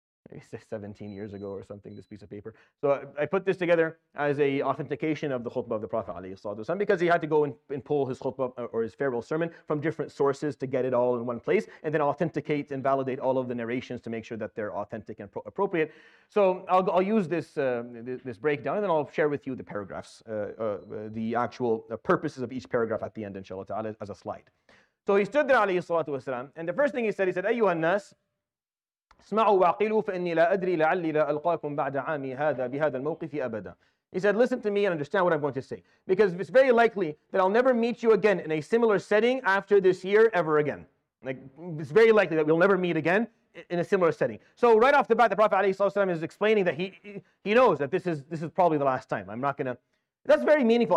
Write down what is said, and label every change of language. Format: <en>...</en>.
<en>Maybe 17 years ago or something, this piece of paper. So I put this together as a authentication of the khutbah of the Prophet alayhi salatu wasalam, because he had to go and pull his khutbah or his farewell sermon from different sources to get it all in one place, and then authenticate and validate all of the narrations to make sure that they're authentic and appropriate. So I'll use this this breakdown, and then I'll share with you the paragraphs, the actual purposes of each paragraph at the end, inshallah ta'ala, as a slide. So he stood there, alayhi salatu wasalam, and the first thing he said,</en> <ar>أَيُّهَا النَّاسِ اسمعوا واعقلوا فإني لا أدري لعلي لا ألقاكم بعد عامي هذا بهذا الموقف أبدا.</ar> <en>He said, listen to me and understand what I'm going to say, because it's very likely that I'll never meet you again in a similar setting after this year ever again. Like, it's very likely that we'll never meet again in a similar setting. So right off the bat, the Prophet ﷺ is explaining that he knows that this is probably the last time. That's very meaningful.</en>